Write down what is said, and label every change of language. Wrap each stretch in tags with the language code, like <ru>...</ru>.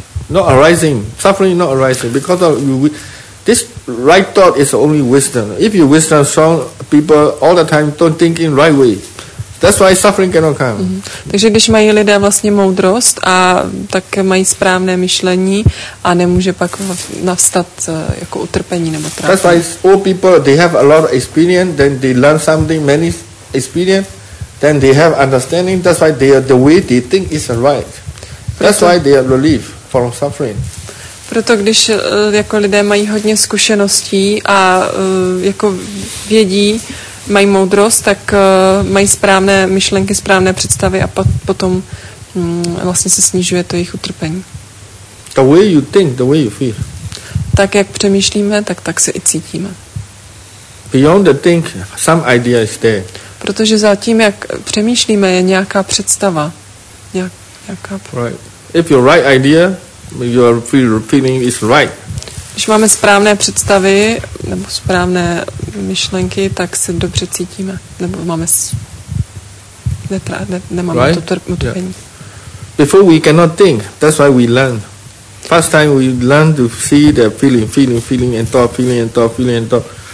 <en>Not arising, suffering not arising because of you. This right thought is only wisdom. If you wisdom strong, people all the time don't think in right way. That's why suffering cannot come. Mm-hmm.</en> <cs>Takže když mají lidé vlastně moudrost a tak mají správné myšlení a nemůže pak nastat jako utrpení nebo trápení.</cs> <en>That's why old people they have a lot of experience, then they learn something, many experience, then they have understanding. That's why they are the way they think is right. That's why they are relief from suffering.</en> <cs>Proto když jako lidé mají hodně zkušeností a jako vědí, mají moudrost, tak mají správné myšlenky, správné představy a potom vlastně se snižuje to jejich utrpení.</cs> <en>The way you think, the way you feel.</en> <cs>Tak jak přemýšlíme, tak se i cítíme.</cs> <en>Beyond the think, some idea is there.</en> <cs>Protože za tím, jak přemýšlíme, je nějaká představa. Nějaká...</cs> <en>Right. If your right idea, your feeling is right.</en> <cs>Když máme správné představy nebo správné myšlenky, tak se dobře cítíme. Nebo máme nemáme</cs> <en>right?</en> <cs>utrpení.</cs> <en>Yeah. Before we cannot think, that's why we learn. First time we learn to see the feeling and thought, feeling and thought, feeling and thought.</en>